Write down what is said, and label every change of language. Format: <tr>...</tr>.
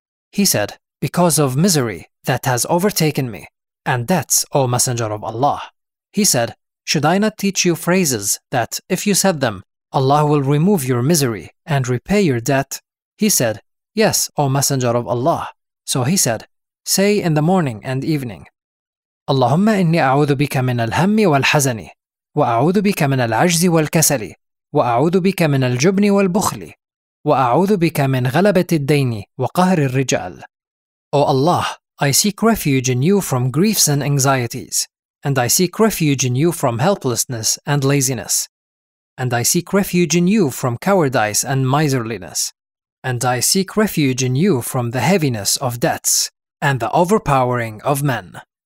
<en>He said, because of misery that has overtaken me, and debts, O Messenger of Allah. He said, should I not teach you phrases that, if you said them, Allah will remove your misery and repay your debt. He said, Yes, O Messenger of Allah. So he said, Say in the morning and evening.</en> <ar>اللهم إني أعوذ بك من الهم والحزن وأعوذ بك من العجز والكسل وأعوذ بك من الجبن والبخل وأعوذ بك من غلبة الدين وقهر الرجال.</ar> <en>O Allah, I seek refuge in you from griefs and anxieties, and I seek refuge in you from helplessness and laziness, and I seek refuge in you from cowardice and miserliness, and I seek refuge in you from the heaviness of debts and the overpowering of men.</en>